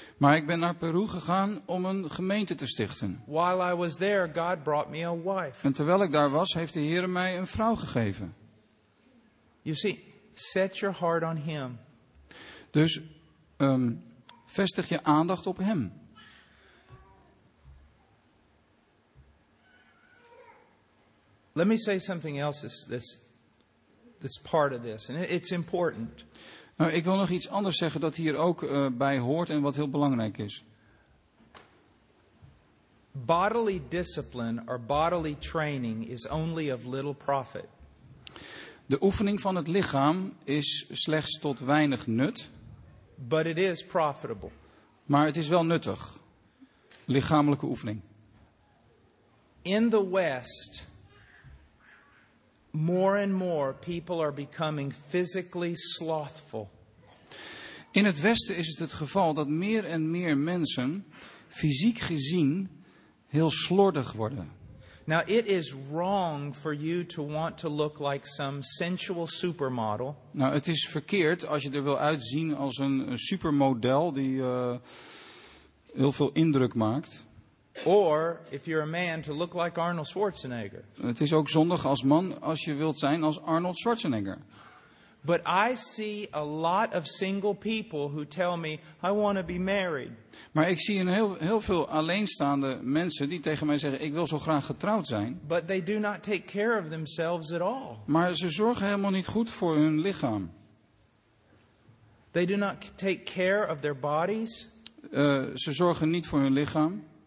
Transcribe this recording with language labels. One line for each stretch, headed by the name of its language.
Dutch: Maar ik ben naar Peru gegaan om een gemeente te stichten.
English: While I was there, God brought me a wife.
Dutch: En terwijl ik daar was, heeft de Heer mij een vrouw gegeven.
English: You see, set your heart on him.
Dutch: Dus vestig je aandacht op hem.
English: Let me say something else that's part of this, and it's important.
Dutch: Nou, ik wil nog iets anders zeggen dat hier ook bij hoort en wat heel belangrijk is.
English: Bodily discipline or bodily training is only of little profit.
Dutch: De oefening van het lichaam is slechts tot weinig nut.
English: But it is profitable.
Dutch: Maar het is wel nuttig. Lichamelijke oefening.
English: In the West, more and more people are becoming physically slothful.
Dutch: In het Westen is het het geval dat meer en meer mensen fysiek gezien heel slordig worden.
English: Now it is wrong for you to want to look like some sensual supermodel.
Dutch: Nou, het is verkeerd als je er wil uitzien als een supermodel die heel veel indruk maakt.
English: Or if you're a man to look like Arnold Schwarzenegger.
Dutch: Het is ook zondig als man als je wilt zijn als Arnold Schwarzenegger.
English: But I see a lot of single people who tell me I want to be married.
Dutch: Maar ik zie heel veel alleenstaande mensen die tegen mij zeggen ik wil zo graag getrouwd zijn.
English: But they do not take care of themselves at all.
Dutch: Maar ze zorgen helemaal niet goed voor hun lichaam.
English: They do not take care of their bodies.
Dutch: Ze zorgen niet voor hun lichaam.